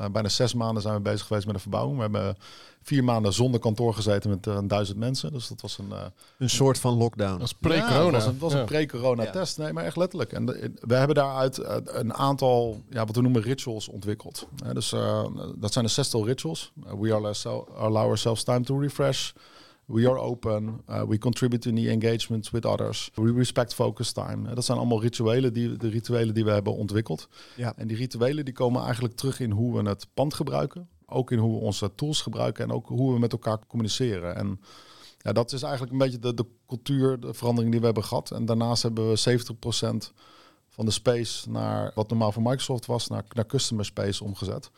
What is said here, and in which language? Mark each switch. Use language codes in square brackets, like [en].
[nl] Bijna 6 maanden zijn we bezig geweest met de verbouwing. We hebben 4 maanden zonder kantoor gezeten met 1000 mensen. Dus dat was een soort van lockdown. Dat was pre-corona. Ja, het was een pre-corona-test. Nee, maar echt letterlijk. En we hebben daaruit een aantal, wat we noemen rituals, ontwikkeld. Dus dat zijn een 6-tal rituals. [en] We allow ourselves time to refresh. We are open. We contribute in the engagement with others. We respect focus time. [nl] Dat zijn allemaal rituelen die we hebben ontwikkeld. Ja. En die rituelen die komen eigenlijk terug in hoe we het pand gebruiken. Ook in hoe we onze tools gebruiken en ook hoe we met elkaar communiceren. En ja, dat is eigenlijk een beetje de cultuur, de verandering die we hebben gehad. En daarnaast hebben we 70% van de space naar wat normaal voor Microsoft was, naar customer space omgezet.